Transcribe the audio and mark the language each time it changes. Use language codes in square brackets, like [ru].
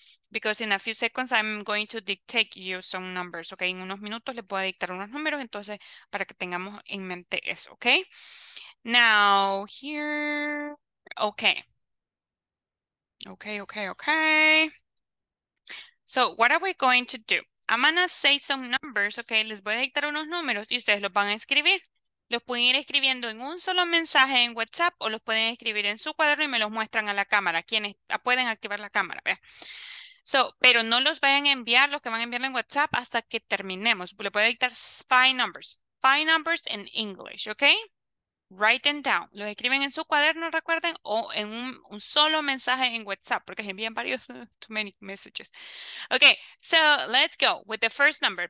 [en] Because in a few seconds I'm going to dictate you some numbers, ok? [es] En unos minutos les voy a dictar unos números, entonces, para que tengamos en mente eso, ok? [en] Now, here, ok. Ok. So, what are we going to do? I'm going to say some numbers, ok? [es] Les voy a dictar unos números y ustedes los van a escribir. Los pueden ir escribiendo en un solo mensaje en WhatsApp o los pueden escribir en su cuaderno y me los muestran a la cámara. Quienes pueden activar la cámara, vea. So, pero no los vayan a enviar, los que van a enviar en WhatsApp hasta que terminemos. Le voy a dictar [en] 5 numbers. 5 numbers in English, ok? Write them down. [es] Los escriben en su cuaderno, recuerden, o en un solo mensaje en WhatsApp, porque se envían varios, [en] too many messages. Okay, so let's go with the first number.